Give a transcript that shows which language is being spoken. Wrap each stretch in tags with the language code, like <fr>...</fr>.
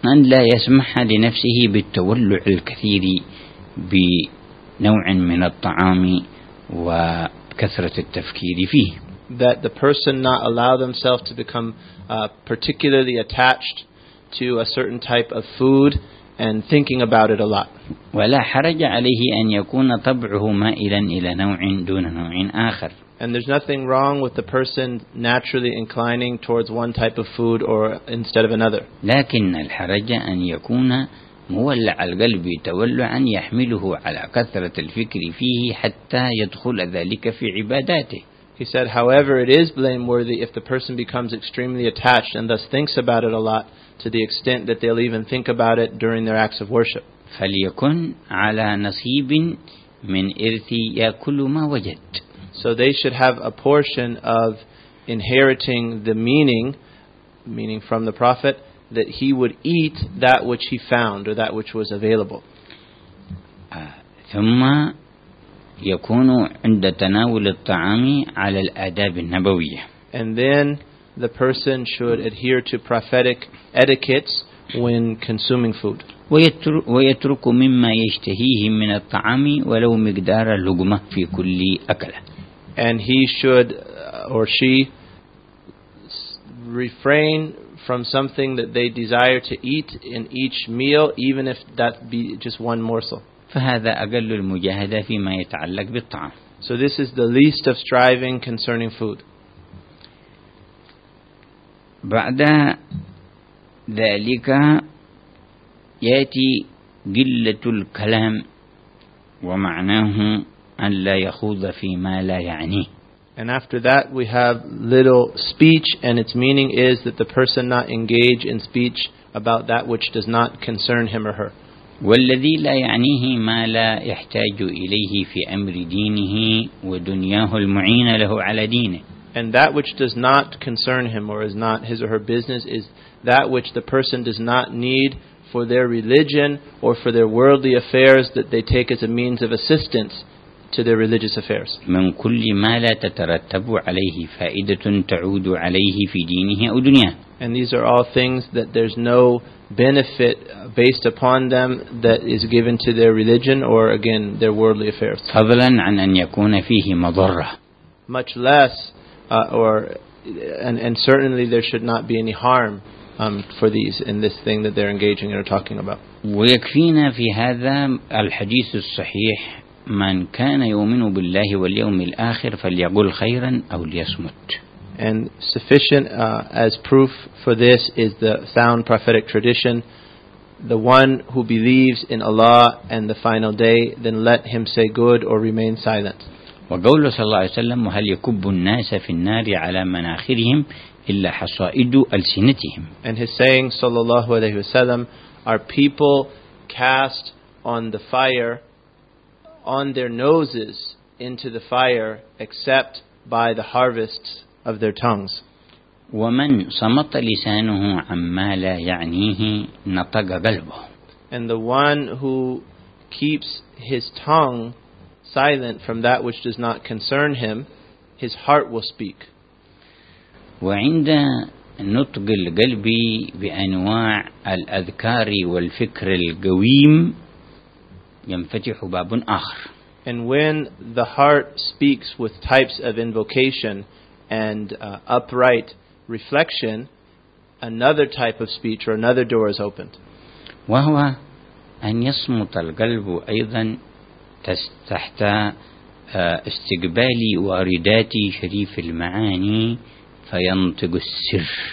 <ar>أن لا يسمح لنفسه بالتولع الكثير بنوع من الطعام وكثرة التفكير فيه.</ar> <en>That the person not allow themselves to become particularly attached to a certain type of food and thinking about it a lot.</en> <ar>ولا حرج عليه أن يكون طبعه مائلا إلى نوع دون نوع آخر.</ar> <en>And there's nothing wrong with the person naturally inclining towards one type of food or instead of another.</en> <ar>لكن الحرج أن يكون مولع القلب تولعا يحمله على كثرة الفكر فيه حتى يدخل ذلك في عباداته.</ar> <en>He said, however, it is blameworthy if the person becomes extremely attached and thus thinks about it a lot to the extent that they'll even think about it during their acts of worship.</en> <ar>فليكن على نصيب من إرث يأكل ما وجد.</ar> <en>So they should have a portion of inheriting the meaning from the Prophet, that he would eat that which he found or that which was available.</en> <ar>ثم يكون عند تناول الطعام على الآداب النبوية.</ar> <en>And then the person should adhere to prophetic etiquettes when consuming food.</en> <ar>ويترك مما يشتهيه من الطعام ولو مقدار لقمة في كل أكلة.</ar> <en>And he should or she refrain from something that they desire to eat in each meal, even if that be just one morsel.</en> <ar>فهذا أقل المجاهدة فيما يتعلق بالطعام.</ar> <en>So this is the least of striving concerning food.</en> <ar>بعد ذلك يأتي قلة الكلام ومعناه أن لا يخوض فيما لا يعنيه.</ar> <en>And after that we have little speech, and its meaning is that the person not engage in speech about that which does not concern him or her.</en> <ar>والذي لا يعنيه ما لا يحتاج إليه في أمر دينه ودنياه المعينة له على دينه.</ar> <en>And that which does not concern him or is not his or her business is that which the person does not need for their religion or for their worldly affairs that they take as a means of assistance to their religious affairs.</en> <ar>من كل ما لا تترتب عليه فائدة تعود عليه في دينه أو دنياه.</ar> <en>And these are all things that there's no benefit based upon them that is given to their religion or again their worldly affairs.</en> <ar>فضلا عن أن يكون فيه مضرة.</ar> <en>Much less and certainly there should not be any harm for these in this thing that they're engaging in or talking about.</en> <ar>ويكفينا في هذا الحديث الصحيح من كان يؤمن بالله واليوم الآخر فليقل خيرا أو ليصمت.</ar> <en>And sufficient as proof for this is the sound prophetic tradition, the one who believes in Allah and the final day, then let him say good or remain silent.</en> <ar>وقول صلى الله عليه وسلم هل يكب الناس في النار على مناخرهم إلا حصائد ألسنتهم.</ar> <en>And his saying</en> <ar>صلى الله عليه وسلم,</ar> <en>are people cast on the fire on their noses into the fire except by the harvests of their tongues.</en> <ar>ومن صمت لسانه عما لا يعنيه نطق قلبه.</ar> <en>And the one who keeps his tongue silent from that which does not concern him, his heart will speak.</en> <ar>وعند نطق القلب بأنواع الأذكار والفكر القويم ينفتح باب آخر.</ar> <en>And when the heart speaks with types of invocation and upright reflection, another type of speech or another door is opened.</en> <ar>وهو أن يصمت القلب أيضا تحت استقبال واردات شريف المعاني فينطق السر.</ar>